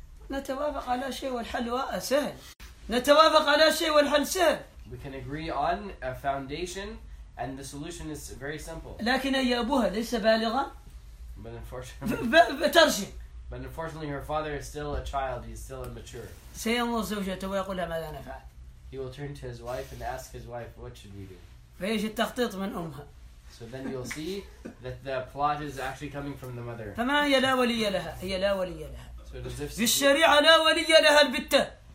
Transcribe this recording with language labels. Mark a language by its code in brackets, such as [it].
[ar] نتوافق على شيء والحل سهل. [en] We can agree on a foundation, and the solution is very simple. [ar] لكن يا أبوها ليس بالغا. [en] But unfortunately, her father is still a child. He's still immature. [ar] سينظر زوجته ويقول لها ماذا نفعل. [en] He will turn to his wife and ask his wife, "What should we do?" [ar] فيجي التخطيط من أمها. [en] So then you'll see that the plot is actually coming from the mother. [ar] فما هي لا ولي لها؟ هي لا ولي لها.